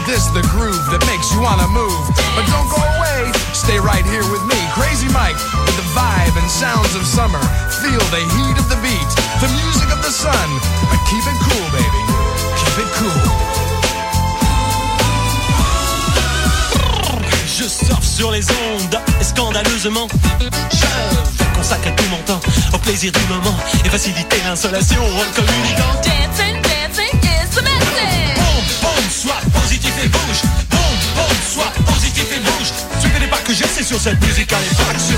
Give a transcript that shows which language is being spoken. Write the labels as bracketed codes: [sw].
[en] The groove that makes you wanna move. But don't go away, stay right here with me. Crazy Mike, with the vibe and sounds of summer. Feel the heat of the beat, the music of the sun. But keep it cool, baby, keep it cool. [fr] Je surfe sur les ondes, scandaleusement. Je consacre tout mon temps au plaisir du moment et faciliter l'insolation en communiquant. [en] Dancing, dancing is the message. [fr] Sois positif et bouge. Boom, boom, sois positif et bouge. Suivez les pas que j'essaie sur cette musique à l'effraction.